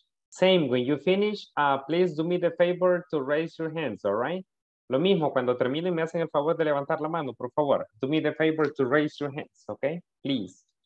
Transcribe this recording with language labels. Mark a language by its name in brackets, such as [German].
[English] Same, when you finish, please do me the favor to raise your hands, all right? [Spanish] Lo mismo, cuando terminen, me hacen el favor de levantar la mano, por favor. [English] Do me the favor to raise your hands, okay? Please.